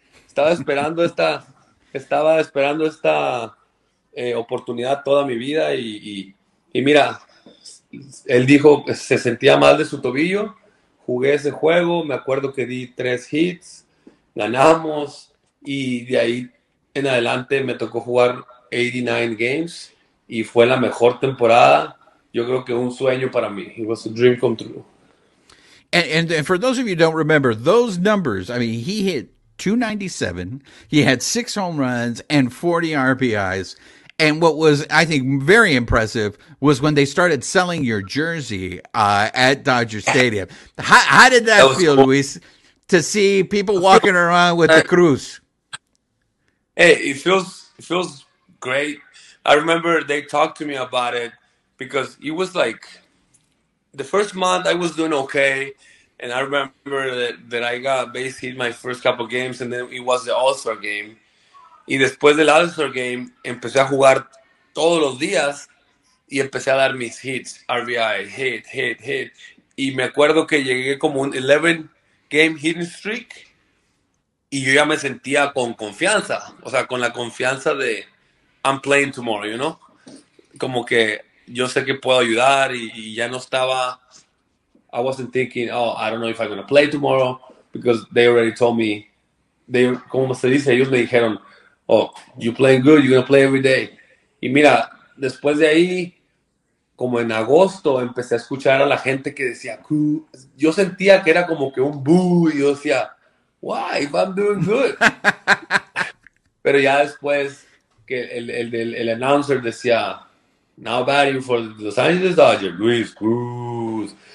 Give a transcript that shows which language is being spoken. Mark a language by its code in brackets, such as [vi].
[es] Estaba esperando esta oportunidad toda mi vida y mira, él dijo se sentía mal de su tobillo. Jugué ese juego, me acuerdo que di 3 hits, ganamos y de ahí en adelante me tocó jugar 89 games y fue la mejor temporada. Yo creo que un sueño para mí. [en] It was a dream come true. And for those of you who don't remember, those numbers, I mean, he hit 297. He had 6 home runs and 40 RBIs. And what was, I think, very impressive was when they started selling your jersey at Dodger Stadium. How did that feel, cool. Luis, to see people walking around with the Cruz? Hey, it feels great. I remember they talked to me about it because it was like the first month I was doing okay. And I remember that I got base hit my first couple games, and then it was the All-Star game. [es] Y después del All-Star game, empecé a jugar todos los días y empecé a dar mis hits, RBI, hit. Y me acuerdo que llegué como un 11-game hitting streak y yo ya me sentía con confianza, o sea, con la confianza de [en] I'm playing tomorrow, you know? [es] Como que yo sé que puedo ayudar y ya no estaba... [en] I wasn't thinking, oh, I don't know if I'm going to play tomorrow because they already told me, they, [es] como se dice, ellos me dijeron, [en] oh, you're playing good, you're going to play every day. [es] Y mira, después de ahí, como en agosto, empecé a escuchar a la gente que decía, Cruz. Yo sentía que era como que un boo, y yo decía, [en] why, if I'm doing good. [es] Pero ya después, que el announcer decía, [en] now batting for the Los Angeles Dodgers, Luis Cruz.